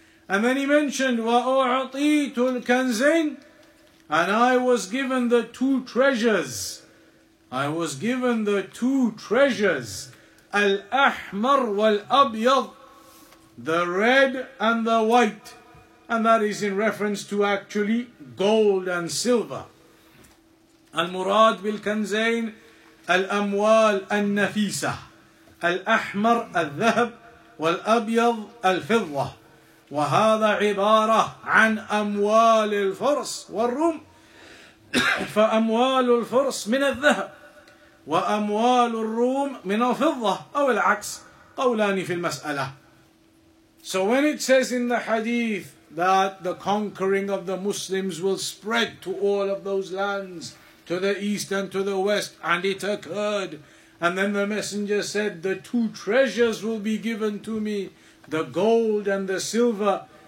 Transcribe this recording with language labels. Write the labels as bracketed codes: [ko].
[en] And then he mentioned, [ar] وَأُعْطِيتُ الْكَنْزَيْنِ, [en] and I was given the two treasures. I was given the two treasures, [ar] الأحمر والأبيض, [en] the red and the white. And that is in reference to actually gold and silver. [ar] المراد بالكنزين الأموال النفيسة, الأحمر الذهب والأبيض الفضة. وهذا عبارة عن أموال الفرس والروم. فأموال الفرس من الذهب وأموال الروم من الفضة, أو العكس, قولان في المسألة. [en] So when it says in the hadith that the conquering of the Muslims will spread to all of those lands, to the east and to the west, and it occurred, and then the Messenger said, the two treasures will be given to me, the gold and the silver.